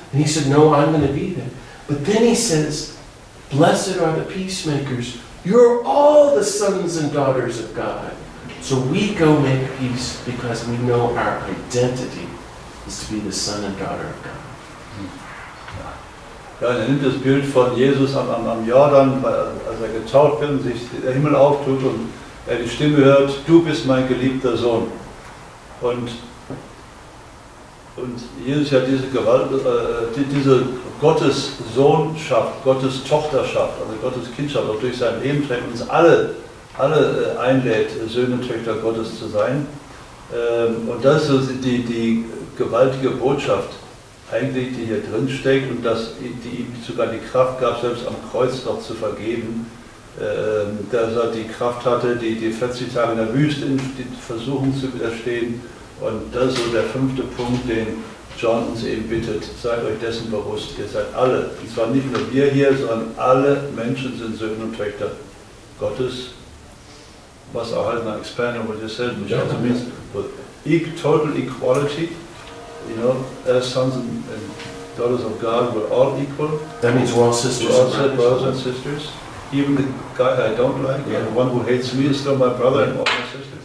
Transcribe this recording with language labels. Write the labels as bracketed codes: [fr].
[en] And he said, "No, I'm going to be there." But then he says, "Blessed are the peacemakers. You're all the sons and daughters of God." So we go make peace because we know our identity is to be the son and daughter of God. [de] Ja, er nimmt das Bild von Jesus am Jordan, als er getauft wird und sich der Himmel auftut und er die Stimme hört, du bist mein geliebter Sohn. Und Jesus hat diese Gewalt, diese Gottessohnschaft, Gottes Tochterschaft, also Gottes Kindschaft, auch durch sein Leben trägt, uns alle einlädt, Söhne und Töchter Gottes zu sein. Und das ist also die gewaltige Botschaft eigentlich, die hier drin steckt, und dass die ihm sogar die Kraft gab, selbst am Kreuz noch zu vergeben, dass er die Kraft hatte, die 40 Tage in der Wüste in die Versuchung zu widerstehen. Und das ist so der fünfte Punkt, den John uns eben bittet: Seid euch dessen bewusst, ihr seid alle, und zwar nicht nur wir hier, sondern alle Menschen sind Söhne und Töchter Gottes. Was auch halt nach [en] Expanding with yourself, which also means total equality. You know, as sons and daughters of God, we're all equal. That means we're all sisters. We're all brothers and sisters. Even the guy I don't like, yeah, the one who hates me, is still my brother, yeah, and all my sisters.